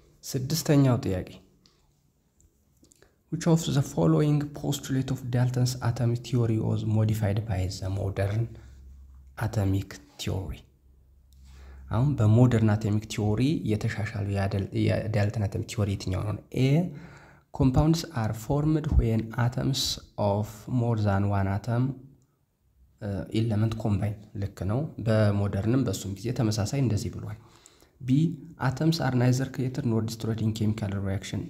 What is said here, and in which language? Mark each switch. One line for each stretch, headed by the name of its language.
Amharic: ስድስተኛው ጥያቄ
English: which of the following postulate of Dalton's atomic theory was modified by the modern atomic theory?
Amharic: አሁን በሞደርን አቶሚክ ቲዮሪ የተሻሻለው የዳልተን አቶሚክ ቲዮሪ የትኛው ነው?
English: ኤ compounds are formed when atoms of more than one atom element combine.
Amharic: ልክ ነው፣ በሞደርንም በሱም ጊዜ ተመሳሳይ እንደዚህ ብሏል።
English: ቢ atoms are neither created nor destroyed in chemical reaction.